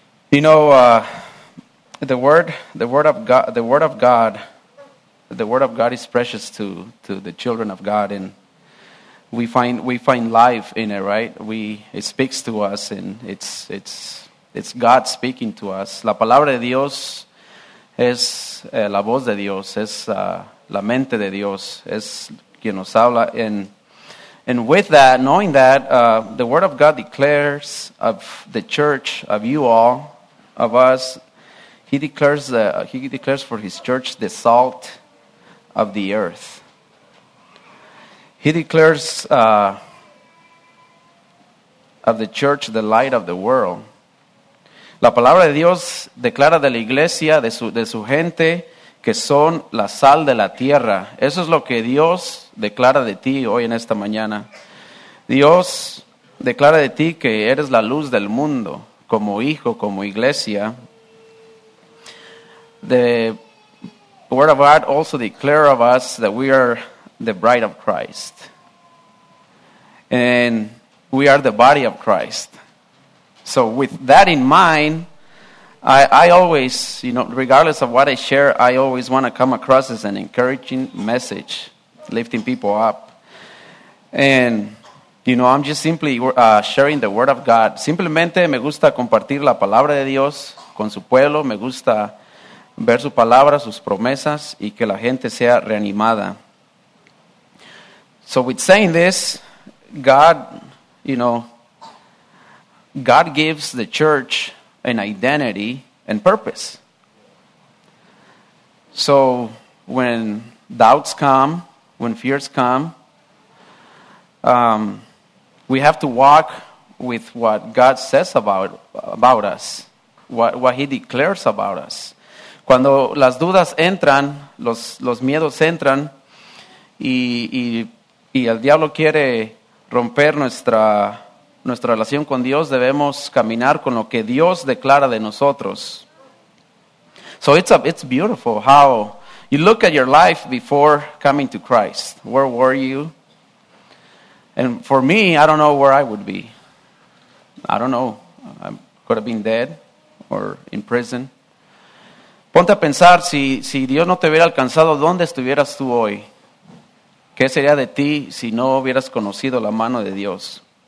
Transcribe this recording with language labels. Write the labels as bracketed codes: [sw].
[en] You know, the word of God is precious to the children of God, and We find life in it, right? It speaks to us, and it's God speaking to us. [es] La palabra de Dios es la voz de Dios, es la mente de Dios, es quien nos habla. [en] And with that, knowing that, the Word of God declares of the church, of you all, of us, He declares for His church the salt of the earth. He declares of the church the light of the world. [es] La palabra de Dios declara de la iglesia, de su gente, que son la sal de la tierra. Eso es lo que Dios declara de ti hoy en esta mañana. Dios declara de ti que eres la luz del mundo, como hijo, como iglesia. [en] The Word of God also declares of us that we are the bride of Christ. And we are the body of Christ. So with that in mind, I always, you know, regardless of what I share, I always want to come across as an encouraging message, lifting people up. And, you know, I'm just simply sharing the Word of God. [es] Simplemente me gusta compartir la palabra de Dios con su pueblo. Me gusta ver su palabra, sus promesas, y que la gente sea reanimada. [en] So with saying this, God, you know, God gives the church an identity and purpose. So when doubts come, when fears come, we have to walk with what God says about us, what He declares about us. [es] Cuando las dudas entran, los miedos entran, y el diablo quiere romper nuestra relación con Dios, debemos caminar con lo que Dios declara de nosotros. [en] So it's beautiful how you look at your life before coming to Christ. Where were you? And for me, I don't know where I would be. I don't know. I could have been dead or in prison. [es] Ponte a pensar, si Dios no te hubiera alcanzado, ¿dónde estuvieras tú hoy? ¿Qué sería de ti si no hubieras conocido la mano de Dios?